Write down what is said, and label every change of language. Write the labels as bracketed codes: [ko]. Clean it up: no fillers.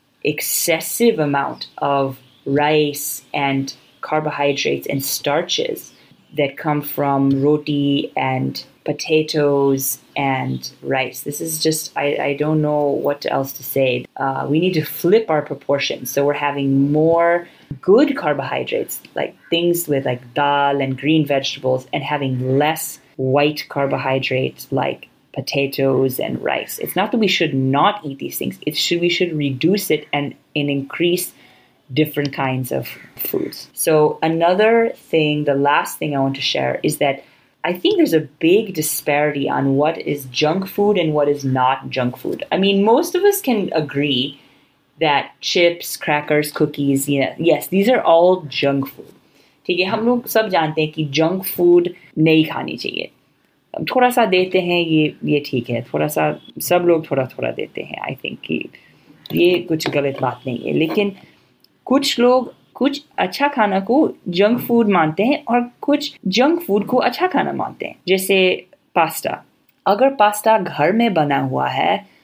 [en] Excessive amount of rice and carbohydrates and starches that come from roti and potatoes and rice this is just I don't know what else to say we need to flip our proportions so we are having more good carbohydrates like things with like dal and green vegetables and having less white carbohydrates like potatoes and rice. It's not that we should not eat these things. We should reduce it and increase different kinds of foods. So another thing, the last thing I want to share is that I think there's a big disparity on what is junk food and what is not junk food. I mean, most of us can agree that chips, crackers, cookies, you know, yes, these are all junk food. We all know that junk food shouldn't be eaten. [hi] थोड़ा सा देते हैं ये ठीक है थोड़ा सा सब लोग थोड़ा थोड़ा देते हैं [en] I think [hi] कि ये कुछ गलत बात नहीं है लेकिन कुछ लोग कुछ अच्छा खाना को जंक फूड मानते हैं और कुछ जंक फूड को अच्छा खाना मानते हैं जैसे पास्ता अगर पास्ता घर में बना हुआ है